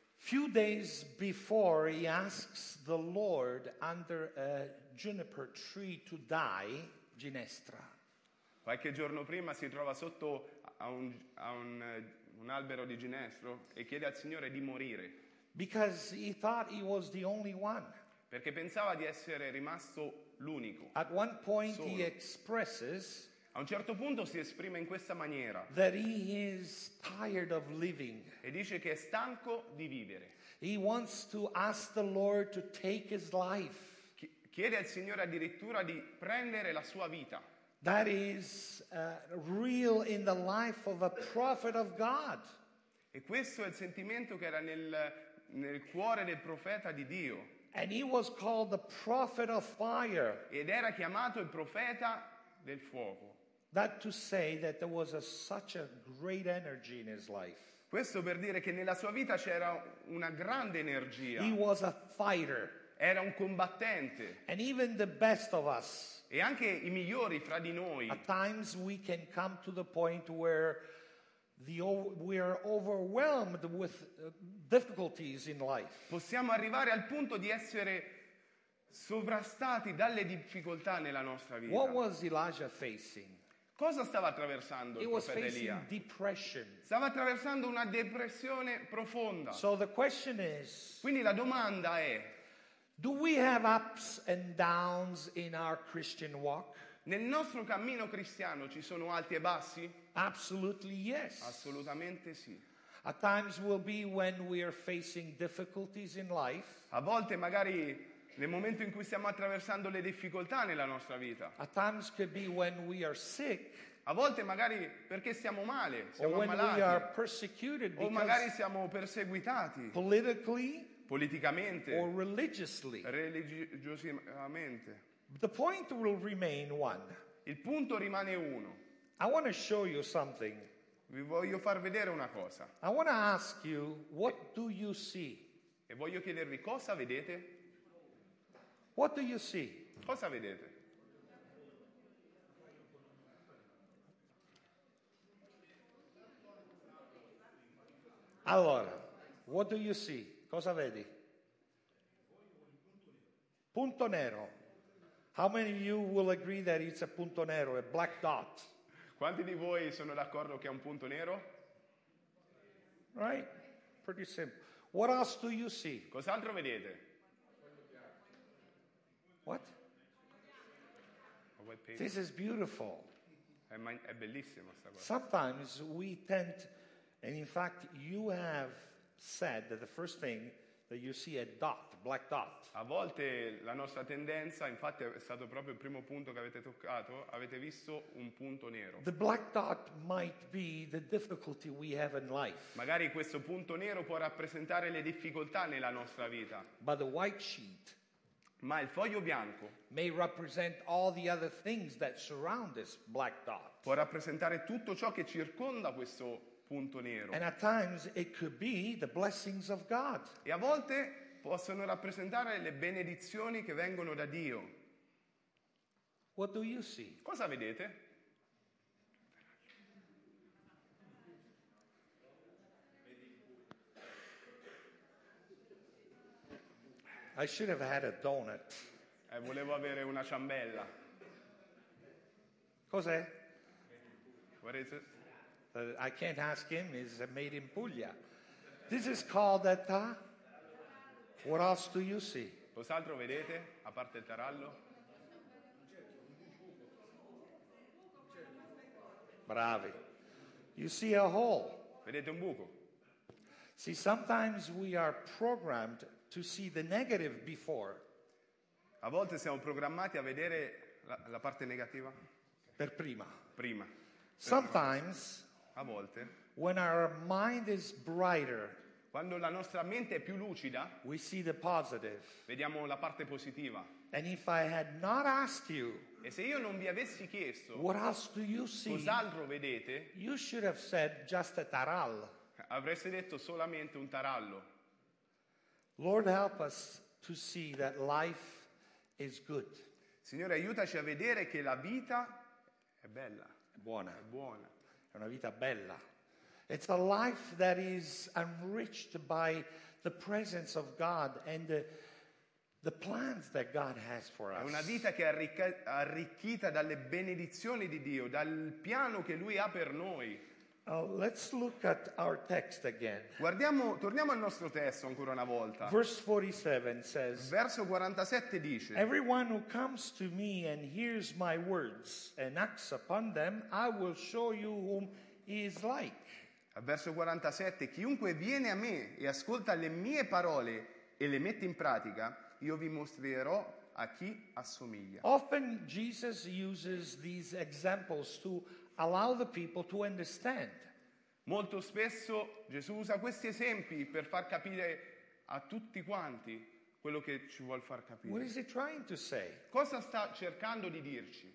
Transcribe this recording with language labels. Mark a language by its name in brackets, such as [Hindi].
[English] Few days before he asks the Lord under a juniper tree to die, Ginestra. [Italian] Qualche giorno prima si trova sotto a un albero di ginestro e chiede al Signore di morire. [English] Because he thought he was the only one. [Italian] Perché pensava di essere rimasto l'unico. [English] At one point he expresses, [Italian] a un certo punto si esprime in questa maniera, [English] that he is tired of living. [Italian] E dice che è stanco di vivere. [English] He wants to ask the Lord to take his life. [Italian] Chiede al Signore addirittura di prendere la sua vita. [English] That is real in the life of a prophet of God. [Italian] E questo è il sentimento che era nel cuore del profeta di Dio. [English] And he was called the prophet of fire. [Italian] Ed era chiamato il profeta del fuoco. [English] That to say that there was such a great energy in his life. [Italian] Questo per dire che nella sua vita c'era una grande energia. [English] He was a fighter. [Italian] Era un combattente. [English] And even the best of us. [Italian] E anche i migliori fra di noi. [English] At times we can come to the point where we are overwhelmed with difficulties in life. [Italian] Possiamo arrivare al punto di essere sovrastati dalle difficoltà nella nostra vita. [English] What was Elijah facing? [Italian] Cosa stava attraversando il profeta Elia? [English] He was facing depression. [Italian] Stava attraversando una depressione profonda. [English] So the question is, [Italian] quindi la domanda è, [English] Do we have ups and downs in our Christian walk? [Italian] Nel nostro cammino cristiano ci sono alti e bassi? [English] Absolutely yes. [Italian] Assolutamente sì. [English] At times will be when we are facing difficulties in life. [Italian] A volte magari nel momento in cui stiamo attraversando le difficoltà nella nostra vita. [English] At times could be when we are sick. [Italian] A volte magari perché siamo male, siamo [English] or when [Italian] ammalati. [English] We are persecuted [Italian] o magari siamo perseguitati. [English] Politically. [Italian] Politicamente. [English] Or religiously. [Italian] Religiosamente. [English] The point will remain one. [Italian] Il punto rimane uno. [English] I want to show you something. [Italian] Vi voglio far vedere una cosa. [English] I want to ask you, what do you see? [Italian] E voglio chiedervi cosa vedete? [English] What do you see? [Italian] Cosa vedete? [English] Allora, what do you see? [Italian] Cosa vedi? Punto nero. [English] How many of you will agree that it's a [Italian] punto nero, [English] a black dot? [Italian] Quanti di voi sono d'accordo che è un punto nero? [English] Right? Pretty simple. What else do you see? [Italian] Cos'altro vedete? [English] What? A white paper. This is beautiful. [Italian] È bellissimo sta cosa. [English] Sometimes we tend, and in fact you have said that the first thing that you see a dot, black dot. [Italian] A volte la nostra tendenza, infatti è stato proprio il primo punto che avete toccato, avete visto un punto nero. [English] The black dot might be the difficulty we have in life. [Italian] Magari questo punto nero può rappresentare le difficoltà nella nostra vita. [English] But the white sheet. [Italian] Ma il foglio bianco [English] may represent all the other things that surround this black dot. [Italian] Può rappresentare tutto ciò che circonda questo punto nero. [English] And at times it could be the blessings of God. [Italian] E a volte possono rappresentare le benedizioni che vengono da Dio. [English] What do you see? [Italian] Cosa vedete? [English] I should have had a donut. [Italian] Volevo avere una ciambella. Cos'è? [English] What is it? I can't ask him, it's made in Puglia. This is called a ta. What else do you see? [Italian] Cos'altro vedete, a parte il tarallo? [English] Bravi. You see a hole. [Italian] Vedete un buco? [English] See, sometimes we are programmed to see the negative before. [Italian] A volte siamo programmati a vedere la parte negativa. Per prima. Prima. [English] Sometimes. [Italian] A volte, [English] when our mind is brighter, [Italian] quando la nostra mente è più lucida, [English] we see the positive. [Italian] Vediamo la parte positiva. [English] And if I had not asked you, [Italian] e se io non vi avessi chiesto, [English] what else do you see? [Italian] Cos'altro vedete? [English] You should have said just a tarallo. [Italian] Avreste detto solamente un tarallo. [English] Lord, help us to see that life is good. [Italian] Signore, aiutaci a vedere che la vita è bella, è buona. È una vita bella. [English] It's a life that is enriched by the presence of God and the plans that God has for us. [Italian] È una vita che è arricchita dalle benedizioni di Dio, dal piano che Lui ha per noi. [English] Let's look at our text again. [Italian] Torniamo al nostro testo ancora una volta. [English] Verse 47 says. [Italian] Verso 47 dice. [English] Everyone who comes to me and hears my words and acts upon them, I will show you whom he is like. [Italian] Verso 47. Chiunque viene a me e ascolta le mie parole e le mette in pratica, io vi mostrerò a chi assomiglia. [English] Often Jesus uses these examples to allow the people to understand. [Italian] Molto spesso Gesù usa questi esempi per far capire a tutti quanti quello che ci vuol far capire. [English] What is he trying to say? [Italian] Cosa sta cercando di dirci?